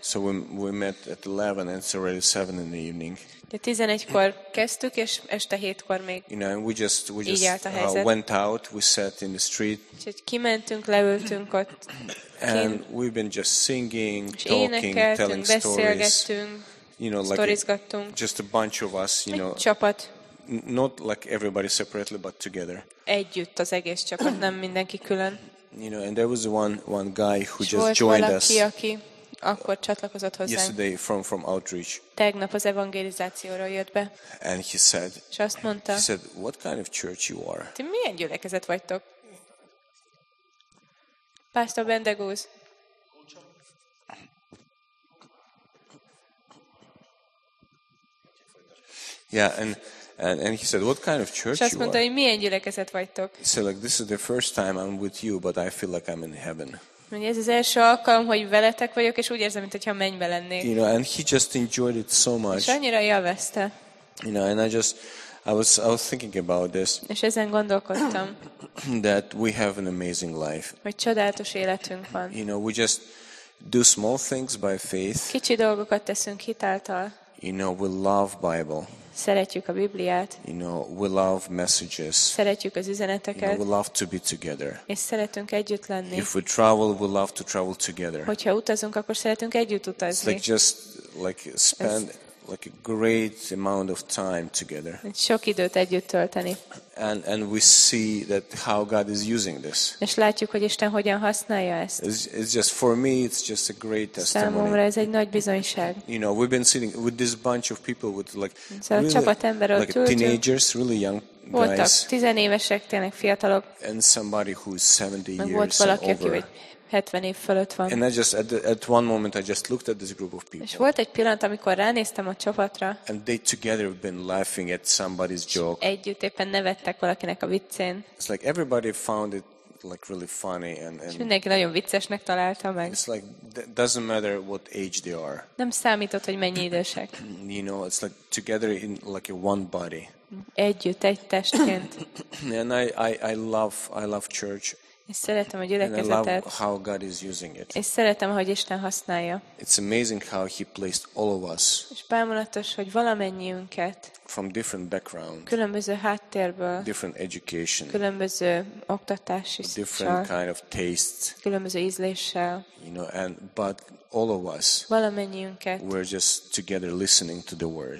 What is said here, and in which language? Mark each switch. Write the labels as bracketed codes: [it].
[en] So we met at 11 and it's already 7 in the evening. [hu] De 11-kor kezdtük, és este 7-kor még. [en] You know, we just went out, we sat in the street. [hu] Úgyhogy kimentünk, leültünk ott. [en] And we've been just singing, talking, telling stories. You know, like just a bunch of us, you know. [hu] Egy csapat. [en] Not like everybody separately, but together. [hu] Együtt az egész csapat, nem mindenki külön. [en] You know, and there was one guy who just joined us. [hu] Aki akkor csatlakozott hozzánk. [en] Yesterday from outreach. [hu] Tegnap az evangelizációról jött be. [en] And he said. [hu] És azt mondta. [en] He said, "What kind of church you are?" [hu] Ti milyen gyülekezet vagytok? [en] Pastor Bendegúz. Yeah, and he said, "What kind of church you [hu] mondta, [en] are?" [hu] Milyen gyülekezet vagytok? [en] He said, "Like this is the first time I'm with you, but I feel like I'm in heaven." [hu] Mondja, ez az első alkalom, hogy veletek vagyok, és úgy érzem, mintha mennybe lennék. [en] You know, and he just enjoyed it so much. [hu] És annyira élvezte. [en] You know, and I was thinking about this. [hu] És ezen gondolkodtam. [en] That we have an amazing life. [hu] Hogy csodálatos életünk van. [en] You know, we just do small things by faith. [hu] Kicsi dolgokat teszünk hitáltal. [en] You know, we love Bible. [hu] Szeretjük a Bibliát. [en] You know, we love messages. [hu] Szeretjük az üzeneteket. [en] You know, we love to be together. [hu] És szeretünk együtt lenni. [en] If we travel, we love to travel together. [hu] Hogyha utazunk, akkor szeretünk együtt utazni. [en] It's like just like spend like a great amount of time together. [hu] Sok időt együtt tölteni. [en] And we see that how God is using this. [hu] És látjuk, hogy Isten hogyan használja ezt. [en] It's just for me, it's just a great testimony. [hu] Számomra ez egy nagy bizonyság. [en] You know, we've been sitting with this bunch of people with like really, like teenagers, really young [hu] voltak 10 évesek, tényleg fiatalok. [en] And somebody who's 70 years old. [hu] Volt valaki, aki 70 év fölött van. [en] And I just at one moment I just looked at this group of people. [hu] És volt egy pillanat, amikor ránéztem a csapatra. [en] And they together have been laughing at somebody's joke. [hu] Együtt éppen nevettek valakinek a viccén. [en] It's like everybody found it like really funny and [hu] mindenki nagyon viccesnek találta meg. [en] It's like doesn't matter what age they are. [hu] Nem számított, hogy mennyi idősek. [en] You know, it's like together in like a one body. [hu] Együtt, egy testként. [en] And I love church. [hu] És szeretem a gyülekezetet. [en] And I love how God is using it. [hu] És szeretem, hogy Isten használja. [en] It's amazing how he placed all of us. [hu] És bámulatos, hogy valamennyiünket. [en] From different background. [hu] Különböző háttérből. [en] Different education. [hu] Különböző oktatási szintről. [en] Different kind of tastes. [hu] Különböző ízléssel. [en] You know, and but all of us. [hu] Valamennyiünket. [en] We're just together listening to the word.